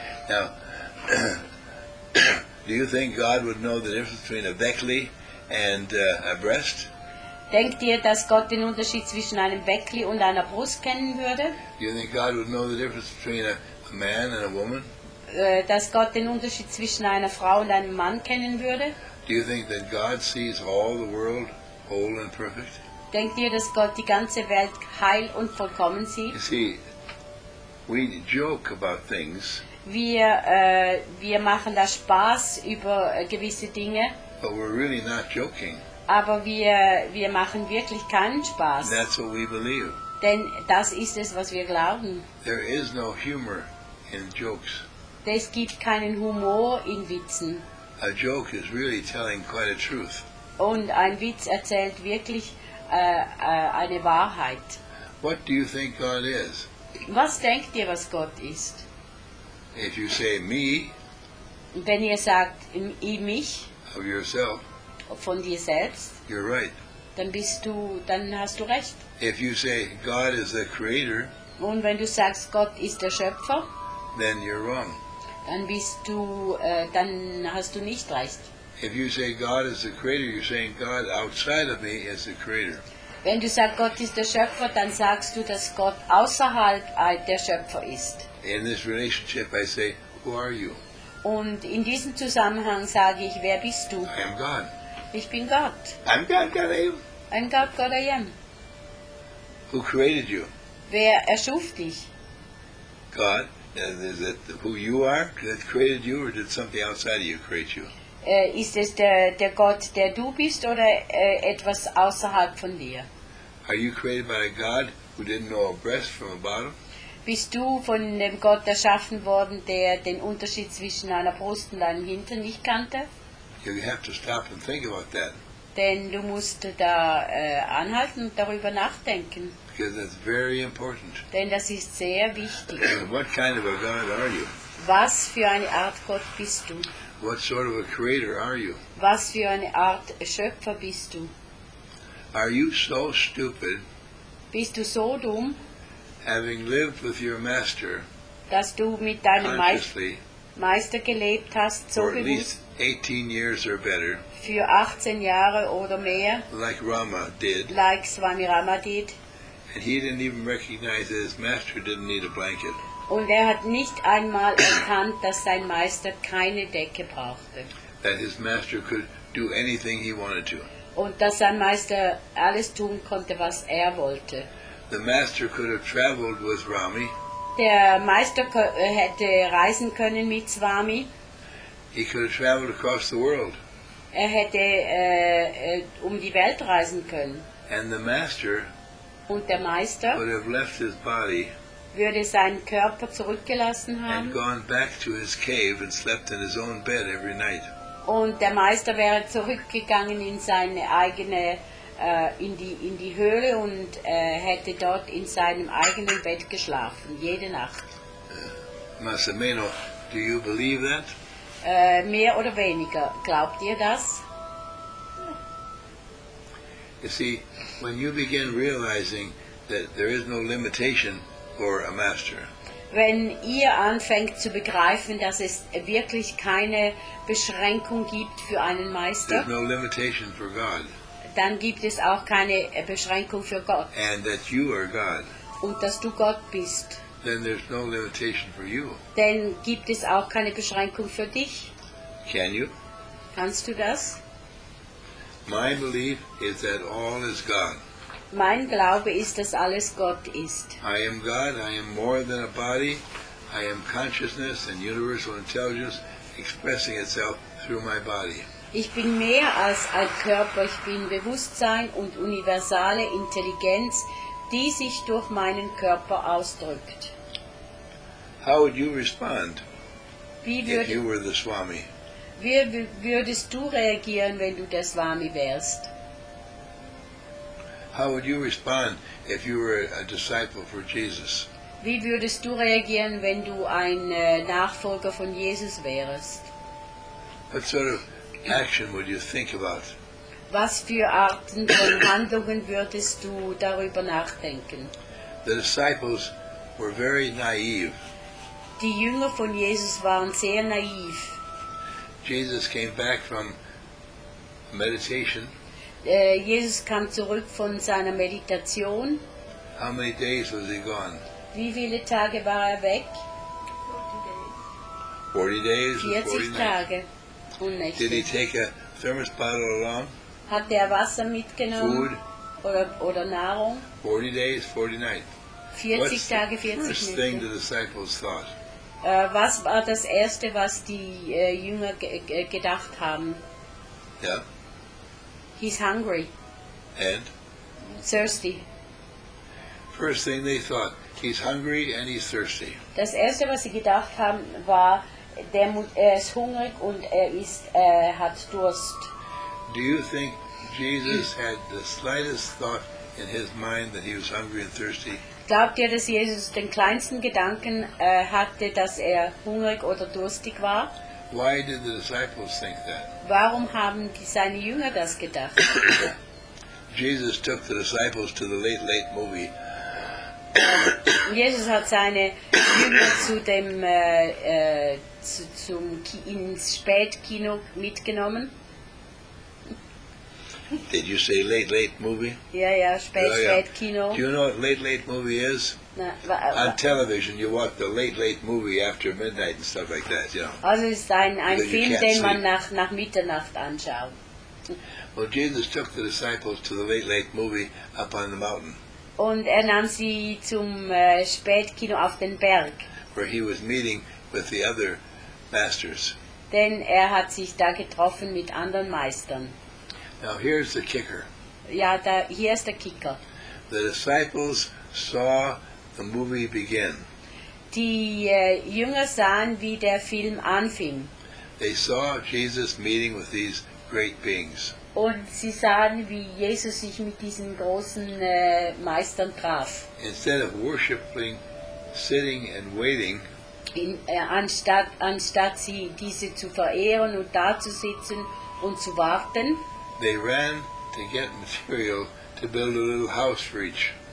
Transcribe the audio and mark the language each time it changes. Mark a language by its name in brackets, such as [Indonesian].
[English] Now, do you think God would know the difference between a Weckli and a breast? [German] Denkt ihr, dass Gott den Unterschied zwischen einem Weckli und einer Brust kennen würde? [English] You think God would know the difference between a man and a woman? [German] Dass Gott den Unterschied zwischen einer Frau und einem Mann kennen würde? [English] Do you think that God sees all the world whole and perfect? [German] Denkt ihr, dass Gott die ganze Welt heil und vollkommen sieht? [English] You see, we joke about things. [German] Wir machen da Spaß über gewisse Dinge. [English] But we're really not joking. [German] Aber wir machen wirklich keinen Spaß. [English] That's what we believe. [German] Denn das ist es, was wir glauben. [English] There is no humor in jokes. [German] Es gibt keinen Humor in Witzen. [English] A joke is really telling quite a truth. [German] Und ein Witz erzählt wirklich eine Wahrheit. [English] What do you think God is? [German] Was denkt ihr, was Gott ist? [English] If you say me, [German] wenn ihr sagt, mich, [English] of yourself, [German] von dir selbst, [English] you're right. [German] Dann bist du, dann hast du recht. [English] If you say God is the creator, [German] und wenn du sagst, Gott ist der Schöpfer, [English] then you're wrong. [German] Dann bist du, dann hast du nicht recht. [English] If you say God is the creator, you're saying God outside of me is the creator. [German] Wenn du sagst, Gott ist der Schöpfer, dann sagst du, dass Gott außerhalb der Schöpfer ist. [English] In this relationship I say, who are you? [German] Und in diesem Zusammenhang sage ich, wer bist du? [English] I am God. [German] Ich bin Gott. [English] I'm God, God I am. I'm God, God I am. Who created you? [German] Wer erschuf dich? [English] God. Is it who you are that created you, or did something outside of you create you? [German] Ist es der Gott, der du bist, oder etwas außerhalb von dir? [English] Are you created by a God who didn't know a breast from a bottom? [German] Bist du von dem Gott erschaffen worden, der den Unterschied zwischen einer Brust und einem Hintern nicht kannte? [English] You have to stop and think about that. [German] Denn du musst da anhalten und darüber nachdenken. [English] Because that's very important. [German] Denn das ist sehr wichtig. [English] What kind of a God are you? [German] Was für eine Art Gott bist du? [English] What sort of a creator are you? [German] Was für eine Art Schöpfer bist du? [English] Are you so stupid? [German] Bist du so dumm? [English] Having lived with your master, [German] dass du mit deinem Meister gelebt hast, so [English] at least 18 years or better, [German] für 18 Jahre oder mehr, [English] like Rama did, like Swami Rama did, and he didn't even recognize that his master didn't need a blanket. [German] Und er hat nicht einmal erkannt, dass sein Meister keine Decke brauchte. [English] That his master could do anything he wanted to. [German] Und dass sein Meister alles tun konnte, was wollte. [English] The master could have traveled with Rami. [German] Der Meister hätte reisen können mit Swami. [English] He could have traveled across the world. [German] Hätte die Welt reisen können. [English] And the master, [German] und der Meister, [English] would have left his body, [German] würde seinen Körper zurückgelassen haben, [English] and gone back to his cave and slept in his own bed every night. [German] Und der Meister wäre zurückgegangen in seine eigene in die Höhle und hätte dort in seinem eigenen Bett geschlafen jede Nacht. [English] Massimino, do you believe that? [German] Mehr oder weniger, glaubt ihr das? [English] You see, when you begin realizing that there is no limitation for a master, [German] wenn ihr anfängt zu begreifen, dass es wirklich keine Beschränkung gibt für einen Meister, [English] there's no limitation for God, [German] dann gibt es auch keine Beschränkung für Gott, [English] and that you are God, [German] und dass du Gott bist, [English] then there's no limitation for you. [German] Dann gibt es auch keine Beschränkung für dich. [English] Can you? [German] Kannst du das? [English] My belief is that all is God. [German] Mein Glaube ist, dass alles Gott ist. [English] I am God, I am more than a body. I am consciousness and universal intelligence expressing itself through my body. [German] Ich bin mehr als ein Körper, ich bin Bewusstsein und universale Intelligenz, die sich durch meinen Körper ausdrückt. [English] How would you respond if you were the Swami? [German] Wie würdest du reagieren, wenn du der Swami wärst? [English] How would you respond if you were a disciple for Jesus? [German] Wie würdest du reagieren, wenn du ein Nachfolger von Jesus wärst? [English] What sort of action would you think about? [German] Was für Arten von Handlungen würdest du darüber nachdenken? [English] The disciples were very naive. [German] Die Jünger von Jesus waren sehr naiv. [English] Jesus came back from meditation. [German] Jesus kam zurück von seiner Meditation. [English] How many days was he gone? [German] Wie viele Tage war weg? [English] 40 days. [German] 40 Tage und Nächte. [English] Did he take a thermos bottle along? [German] Hat Wasser mitgenommen? [English] Food? [German] Oder Nahrung? [English] 40 days, 40 nights. [German] 40 Tage, 40 Nächte. [English] First thing the disciples thought. [German] Was war das Erste, was die Jünger gedacht haben? [English] Yeah. He's hungry. And? Thirsty. First thing they thought, he's hungry and he's thirsty. [German] Das Erste, was sie gedacht haben, war, er ist hungrig und hat Durst. [English] Do you think Jesus had the slightest thought in his mind that he was hungry and thirsty? [German] Glaubt ihr, dass Jesus den kleinsten Gedanken hatte, dass hungrig oder durstig war? [English] Why did the disciples think that? [German] Warum haben seine Jünger das gedacht? [English] Jesus took the disciples to the late movie. [German] Jesus hat seine Jünger ins Spätkino mitgenommen. [English] Did you say late movie? Yeah, [German] spät Kino. [English] Do you know what late movie is? On television, you watch the late movie after midnight and stuff like that, you know. [German] Also, ist ein Film, den sleep. Man nach Mitternacht anschaut. [English] Well, Jesus took the disciples to the late movie up on the mountain. [German] Und nahm sie zum Spätkino auf den Berg. [English] Where he was meeting with the other masters. [German] Denn hat sich da getroffen mit anderen Meistern. [English] Now here's the kicker. [German] Ja, hier ist der Kicker. [English] The disciples saw the movie begin. [German] Die Jünger sahen, wie der Film anfing. [English] They saw Jesus meeting with these great beings. [German] Und sie sahen, wie Jesus sich mit diesen großen Meistern traf. [English] Instead of worshiping, sitting and waiting, [German] anstatt sie diese zu verehren und da zu sitzen und zu warten, [English] they ran to get material to build a little house for each.